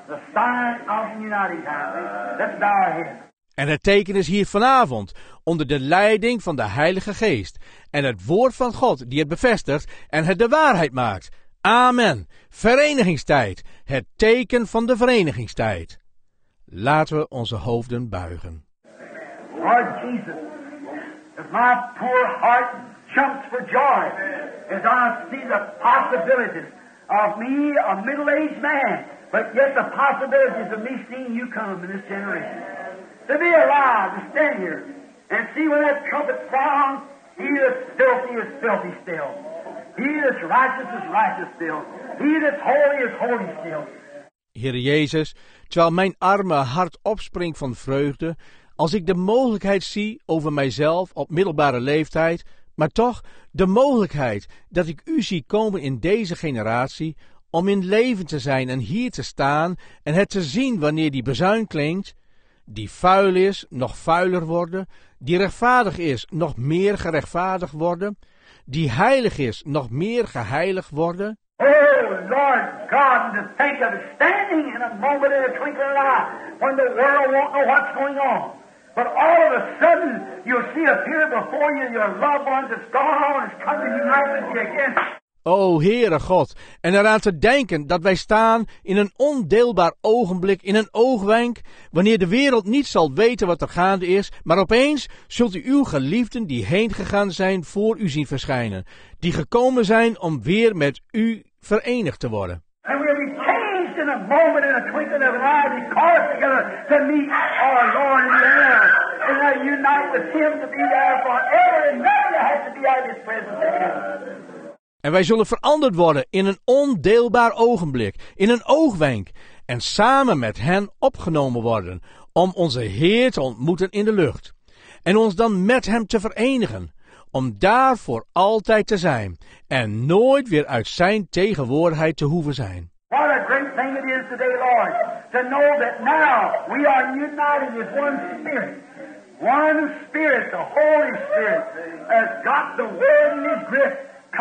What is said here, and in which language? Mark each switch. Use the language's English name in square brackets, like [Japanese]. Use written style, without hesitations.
[English] The sign of uniting power. Let's bow our heads. [Dutch] En het teken is hier vanavond, onder de leiding van de Heilige Geest. En het woord van God die het bevestigt en het de waarheid maakt. Amen. Verenigingstijd. Het teken van de verenigingstijd. Laten we onze hoofden buigen. [English] Lord Jesus, as my poor heart jumps for joy, as I see the possibilities of me, a middle-aged man, but yet the possibilities of me seeing you come in this generation. To be alive, to stand here, and see when that trumpet sounds, he that's filthy is filthy still. He that's righteous is righteous still. He that's holy is holy still. [Dutch] Heere Jezus, terwijl mijn arme hart opspringt van vreugde, als ik de mogelijkheid zie over mijzelf op middelbare leeftijd, maar toch de mogelijkheid dat ik u zie komen in deze generatie, om in leven te zijn en hier te staan en het te zien wanneer die bezuin klinkt, die vuil is, nog vuiler worden, die rechtvaardig is, nog meer gerechtvaardigd worden, die heilig is, nog meer geheiligd worden. [English] Oh, Lord God, to think of standing in a moment in a twinkling of an eye, when the world won't know what's going on. But all of a sudden, you'll see appear before you your loved ones that's gone home and has come to unite with you again. [Dutch] O Heere God, en eraan te denken dat wij staan in een ondeelbaar ogenblik, in een oogwenk, wanneer de wereld niet zal weten wat er gaande is, maar opeens zult u uw geliefden die heen gegaan zijn voor u zien verschijnen, die gekomen zijn om weer met u verenigd te worden. [English] And we'll be changed to in a moment, in a twinkling of an eye, be called together to meet our Lord in the air. And I unite with Him to be there forever and never to have to be out of His presence again. [Dutch] En wij zullen veranderd worden in een ondeelbaar ogenblik, in een oogwenk, en samen met hen opgenomen worden om onze Heer te ontmoeten in de lucht. En ons dan met Hem te verenigen, om daar voor altijd te zijn en nooit weer uit Zijn tegenwoordigheid te hoeven zijn. [English] What a great thing it is today, Lord, to know that now we are united with one Spirit. One Spirit, the Holy Spirit, has got the word in His grip.